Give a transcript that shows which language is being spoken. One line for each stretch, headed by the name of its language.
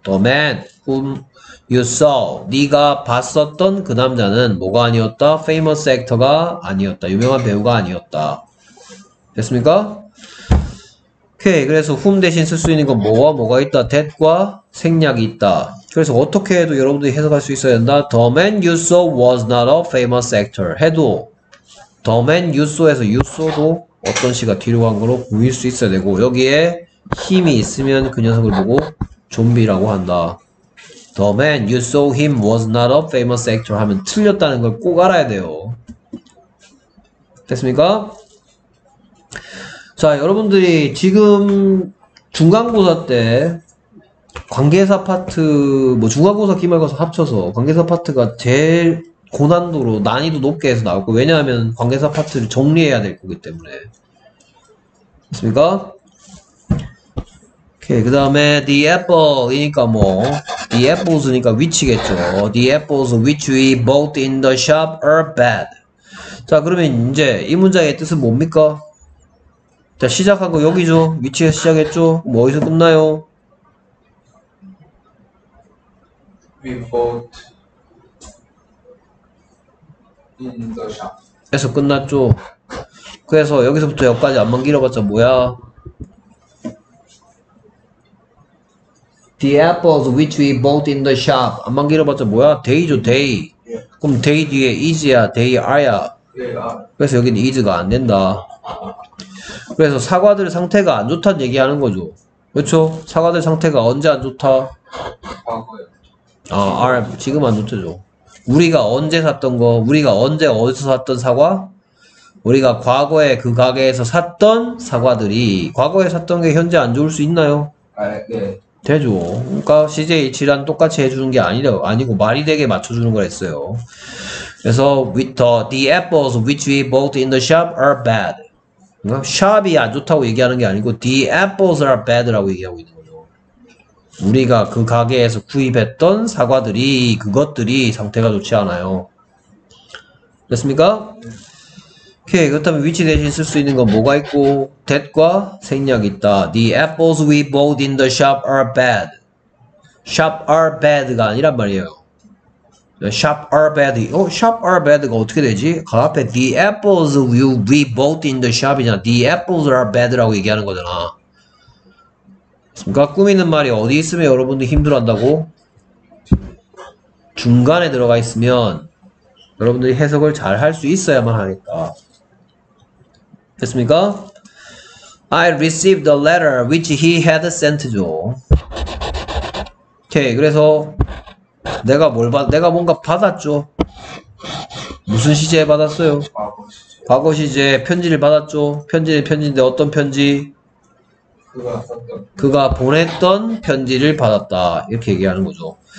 English: The man whom you saw,
Korean: 네가 봤었던 그 남자는 뭐가 아니었다? famous actor가 아니었다. 유명한 배우가 아니었다. 됐습니까? 오케이. 그래서 whom 대신 쓸수 있는 건 뭐가 있다? that과 생략이 있다. 그래서 어떻게 해도 여러분들이 해석할 수 있어야 된다.
English: The man you saw was not a famous actor.
Korean: 해도 the man you saw에서 you saw도 어떤 시가 뒤로 간 거로 보일 수 있어야 되고, 여기에 힘이 있으면 그 녀석을 보고 좀비라고 한다.
English: The man you saw him was not a famous actor
Korean: 하면 틀렸다는 걸꼭 알아야 돼요. 됐습니까? 자, 여러분들이 지금 중간고사 때 관계사 파트, 뭐 중간고사 기말고사 합쳐서 관계사 파트가 제일 고난도로 난이도 높게 해서 나올 거예요. 왜냐하면 관계사 파트를 정리해야 될 거기 때문에. 맞습니까? 오케이. 그 다음에 the apple이니까 뭐 the apples니까 위치겠죠.
English: the apples which we bought in the shop are bad.
Korean: 자, 그러면 이제 이 문장의 뜻은 뭡니까? 자, 시작한 거 여기죠. 위치에서 시작했죠. 뭐 어디서 끝나요?
English: We bought in the shop.
Korean: 에서 끝났죠. 그래서 여기서부터 여기까지 암만 길어봤자 뭐야?
English: The apples which we bought in the shop.
Korean: 암만 길어봤자 뭐야? day죠, day. 그럼 day 뒤에 is야, they are야. 그래서 여기는 is가 안 된다. 그래서 사과들의 상태가 안 좋다는 얘기하는 거죠. 그렇죠? 사과들의 상태가 언제 안 좋다? 아, are, 지금 안 좋대죠. 우리가 언제 샀던 거, 우리가 언제 어디서 샀던 사과? 우리가 과거에 그 가게에서 샀던 사과들이 과거에 샀던 게 현재 안 좋을 수 있나요? 아, 네. 되죠. 그러니까 CJ일치란 똑같이 해주는 게 아니라 아니고 말이 되게 맞춰주는 거랬어요.
English: 그래서 the apples which we bought in the shop are bad.
Korean: 샵이 안 좋다고 얘기하는 게 아니고 the apples are bad라고 얘기하고 있는 거죠. 우리가 그 가게에서 구입했던 사과들이 그것들이 상태가 좋지 않아요. 됐습니까? 오케이. 그렇다면 위치 대신 쓸수 있는 건 뭐가 있고 that과 생략이 있다.
English: The apples we bought in the shop are bad. shop are bad가
Korean: 아니란 말이에요.
English: shop are bad. 샵 are bad가
Korean: 어떻게 되지? 그 앞에
English: the apples we bought in the shop이잖아. the apples are bad라고 얘기하는 거잖아.
Korean: 그러니까 꾸미는 말이 어디 있으면 여러분들 힘들어한다고? 중간에 들어가 있으면 여러분들이 해석을 잘할수 있어야만 하니까. 됐습니까?
English: I received a letter which he had sent죠.
Korean: 오케이. 그래서 내가 뭔가 받았죠. 무슨 시제에 받았어요? 과거 시제에 편지를 받았죠. 편지인데 어떤 편지? 그가 보냈던 편지를 받았다. 이렇게 얘기하는 거죠.